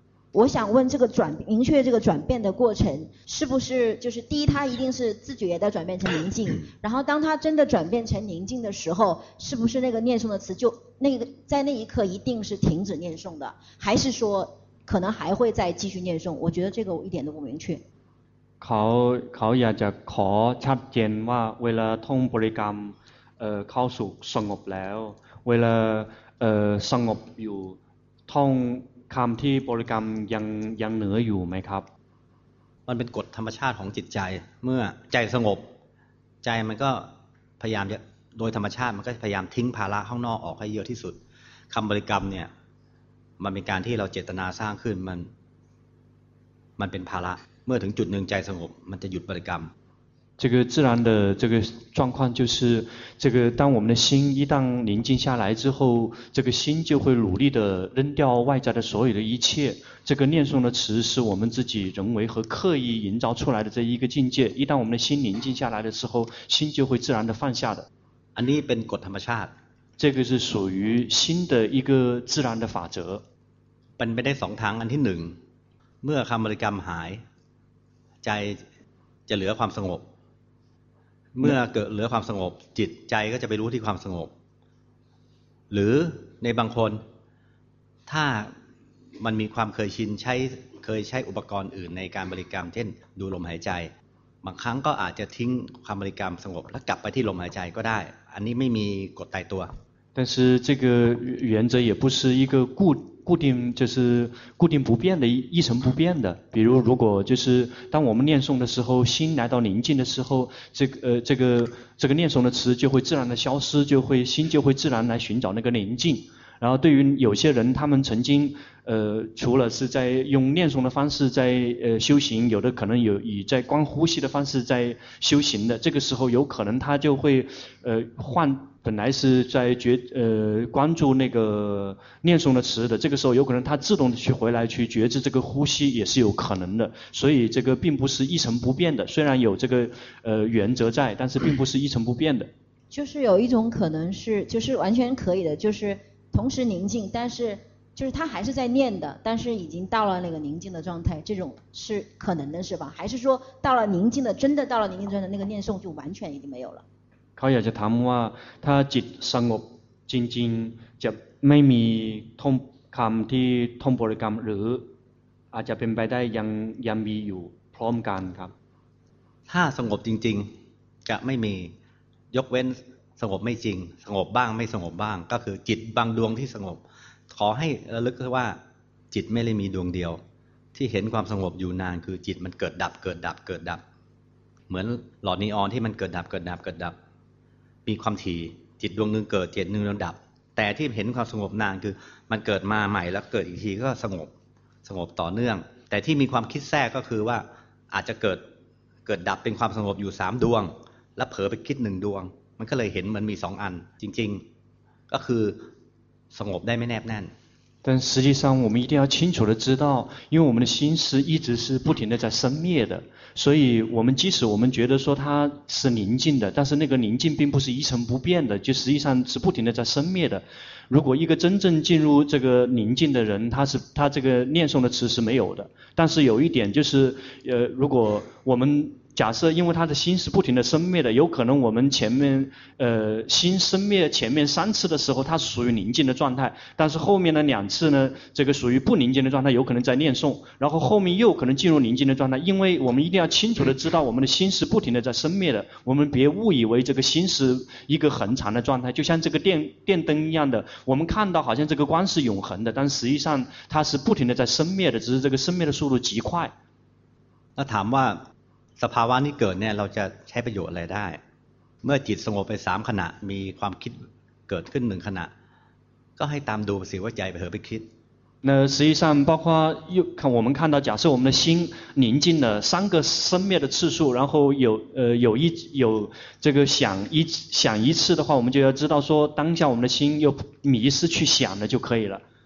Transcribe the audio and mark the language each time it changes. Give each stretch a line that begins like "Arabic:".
Chinese: 我想问这个转明确这个转变的过程是不是就是第一他一定是自觉的转变成宁静，然后当他真的转变成宁静的时候，是不是那个念诵的词就那个在那一刻一定是停止念诵的，还是说可能还会再继续念诵？我觉得这个我一点都不明确。
Thai: เขาอยากจะขอชัดเจนว่าเวลาท่องบริกรรมเข้าสู่สงบแล้วเวลาสงบอยู่ท่องคำที่บริกรรมยังเหนืออยู่ไหมครับ มันเป็นกฎธรรมชาติของจิตใจเมื่อใจสงบใจมันก็พยายามโดยธรรมชาติมันก็พยายามทิ้งภาระข้างนอกออกให้เยอะที่สุดคำบริกรรมเนี่ยมันเป็นการที่เราเจตนาสร้างขึ้นมันเป็นภาระเมื่อถึงจุดหนึ่งใจสงบมันจะหยุดบริกรรม
Chinese: 这个自然的这个状况就是这个当我们的心一旦宁静下来之后，这个心就会努力的扔掉外在的所有的一切，这个念诵的词是我们自己人为和刻意营造出来的这一个境界，一旦我们的心宁静下来的时候，心就会自然的放下的。
Thai: อันนี้เป็นกฎธรรมชาติ
Chinese: 这个是属于心的一个自然的法则。
Thai: เป็นไปได้สองทางอันที่หนึ่งเมื่อคำบริกรรมหายใจจะเหลือความสงบเมื่อเกิดเหลือความสงบจิตใจก็จะไปรู้ที่ความสงบหรือในบางคนถ้ามันมีความเคยชินเคยใช้อุปกรณ์อื่นในการบริกรรมเช่นดูลมหายใจบางครั้งก็อาจจะทิ้งความบริกรรมสงบแล้วกลับไปที่ลมหายใจก็ได้อันนี้ไม่มีกฎตายตัว
Chinese: 但是这个原则也不是一个固定就是固定不变的一成不变的，比如如果就是当我们念诵的时候，心来到宁静的时候，这个念诵的词就会自然的消失，就会心就会自然来寻找那个宁静。然后对于有些人，他们曾经除了是在用念诵的方式在修行，有的可能有以在观呼吸的方式在修行的，这个时候有可能他就会换。本来是在关注那个念诵的词的，这个时候有可能他自动去回来去觉知这个呼吸也是有可能的，所以这个并不是一成不变的，虽然有这个原则在，但是并不是一成不变的。就是有一种可能是，就是完全可以的，就是同时宁静，但是就是他还是在念的，但是已经到了那个宁静的状态，这种是可能的是吧？还是说到了宁静的，真的到了宁静状态，那个念诵就完全已经没有了？
Thai: เขาอยากจะถามว่าถ้าจิตสงบจริงๆจะไม่มีท่องคำที่ท่องบริกรรมหรืออาจจะเป็นไปได้ยังมีอยู่พร้อมกันครับ ถ้าสงบจริงๆจะไม่มียกเว้นสงบไม่จริงสงบบ้างไม่สงบบ้างก็คือจิตบางดวงที่สงบขอให้ระลึกว่าจิตไม่ได้มีดวงเดียวที่เห็นความสงบอยู่นานคือจิตมันเกิดดับเกิดดับเกิดดับเหมือนหลอดนีออนที่มันเกิดดับเกิดดับเกิดดับ มีความถี่จิตดวงนึงเกิดจิตนึงดับแต่ที่เห็นความสงบนานคือมันเกิดมาใหม่แล้วเกิดอีกทีก็สงบต่อเนื่องแต่ที่มีความคิดแทรกก็คือว่าอาจจะเกิดดับเป็นความสงบอยู่3ดวงแล้วเผลอไปคิด1ดวงมันก็เลยเห็นมันมี2อันจริงๆก็คือสงบได้ไม่แนบแน่น
Chinese: 但实际上我们一定要清楚地知道，因为我们的心是一直是不停地在生灭的，所以我们即使我们觉得说它是宁静的，但是那个宁静并不是一成不变的，就实际上是不停地在生灭的。如果一个真正进入这个宁静的人，他这个念诵的词是没有的。但是有一点就是如果我们假设因为他的心是不停地生灭的，有可能我们前面心生灭前面三次的时候它是属于宁静的状态，但是后面的两次呢，这个属于不宁静的状态，有可能在念诵，然后后面又可能进入宁静的状态。因为我们一定要清楚地知道我们的心是不停地在生灭的，我们别误以为这个心是一个恒常的状态，就像这个电灯一样的，我们看到好像这个光是永恒的，但实际上它是不停地在生灭的，只是这个生灭的速度极快。那谈话
Thai: สภาวะนี้เกิดเนี่ยเราจะใช้ประโยชน์อะไรได้เมื่อจิตสงบไปสามขณะมีความคิดเกิดขึ้นหนึ่งขณะก็ให้ตามดูสิว่าใจเผลอไปคิด
Chinese: 那实际上包括又看我们看到假设我们的心宁静了三个生灭的次数，然后有这个想一次的话，我们就要知道说当下我们的心又迷失去想了就可以了